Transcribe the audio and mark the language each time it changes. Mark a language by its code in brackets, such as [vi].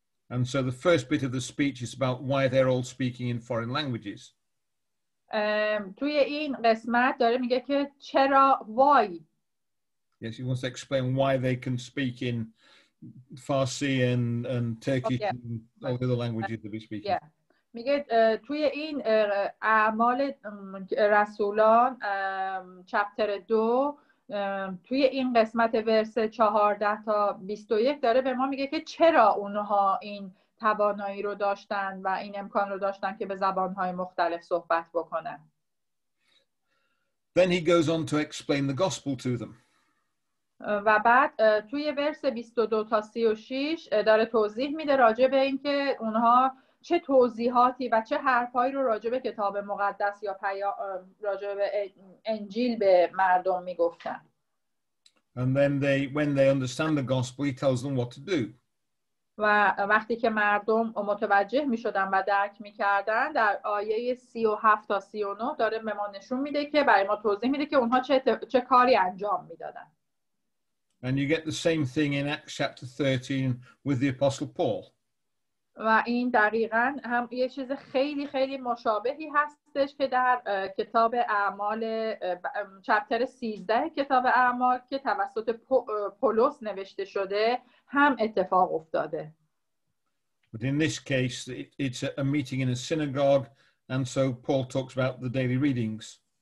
[en] And so the first bit of the speech is about why they're all speaking in foreign languages. [fa] توی این قسمت داره میگه که چرا why. [en] Yes, he wants to explain why they can speak in Farsi and Turkish and all the other languages that we speak. [fa] میگه توی این اعمال رسولان چپتر دو توی این قسمت ورس 14 تا 21 داره به ما میگه که چرا اونها این توانایی رو داشتن و این امکان رو داشتن که به زبانهای مختلف صحبت بکنن. [en] Then he goes on to explain the gospel to them. [fa] و بعد توی ورس 22 تا 36 داره توضیح میده راجع به اینکه اونها چه توضیحاتی و چه حرفایی رو راجع به کتاب مقدس یا راجع به انجیل به مردم میگفتن. [en] And then when they understand the gospel, he tells them what to do. [fa] و وقتی که مردم متوجه میشدن و درک میکردن در آیه 37 تا 39 داره به ما نشون میده که برای ما توضیح میده که اونها چه کاری انجام میدادن. [en] And you get the same thing in Acts chapter 13 with the Apostle Paul. [fa] و این دقیقاً هم یه چیز خیلی خیلی مشابهی هستش که در کتاب اعمال چپتر 13 کتاب اعمال که توسط پولس نوشته شده هم اتفاق افتاده. [en] But in this case it's a meeting in a synagogue and so Paul talks about the daily readings.